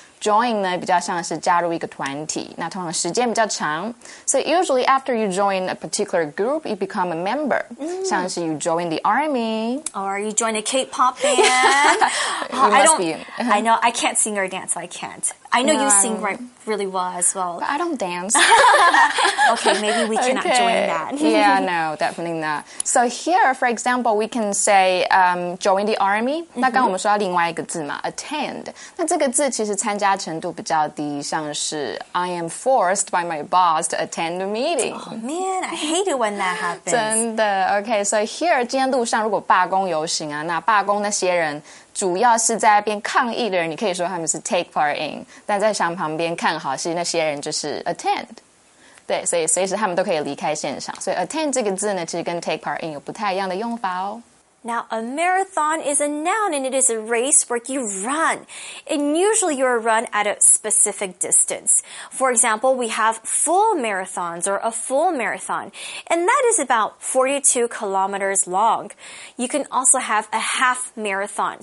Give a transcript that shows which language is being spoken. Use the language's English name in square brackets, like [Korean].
[Chinese] Join 呢比较像是加入一个团体，那通常时间比较长。 [English] So usually after you join a particular group, you become a member. [Chinese] 像是 [English] you join the army. Or you join a K-pop band. I know, I can't sing or dance, I can't. I know, no, you sing right, really well as well. But I don't dance. Okay, maybe we cannot join that. Yeah, no, definitely not. So here, for example, we can say, join the army. [Chinese] 那刚我们说到另外一个字嘛 attend. 那这个字其实参加程度比较低，像是 [English] I am forced by my boss to attend a meeting. Oh man, I hate it when that happens. [Chinese] 真的 [English] Okay, so here, [Chinese] 今天路上如果罢工游行啊，那罢工那些人主要是在那边抗议的人，你可以说他们是 take part in， 但在场旁边看好戏那些人就是 attend。对，所以随时他们都可以离开现场。所以 attend 这个字呢，其实跟 take part in 有不太一样的用法哦。 [English] Now, a marathon is a noun and it is a race where you run. And usually you run at a specific distance. For example, we have full marathons or a full marathon. And that is about 42 kilometers long. You can also have a half marathon.